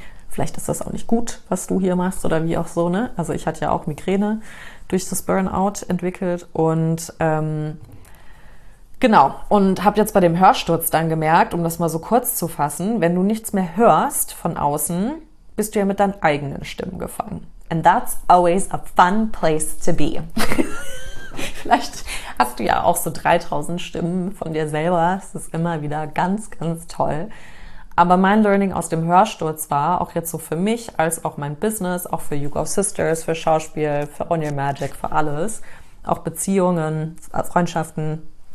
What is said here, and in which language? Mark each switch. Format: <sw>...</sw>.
<de>Vielleicht ist das auch nicht gut, was du hier machst oder wie auch so, ne? Also ich hatte ja auch Migräne durch das Burnout entwickelt und genau, und habe jetzt bei dem Hörsturz dann gemerkt, um das mal so kurz zu fassen, wenn du nichts mehr hörst von außen, bist du ja mit deinen eigenen Stimmen gefangen.</de> <en>And that's always a fun place to be.</en> <de>Vielleicht hast du ja auch so 3000 Stimmen von dir selber. Es ist immer wieder ganz, ganz toll. Aber mein Learning aus dem Hörsturz war, auch jetzt so für mich, als auch mein Business, auch für YouGov Sisters, für Schauspiel, für On Your Magic, für alles, auch Beziehungen, Freundschaften.</de>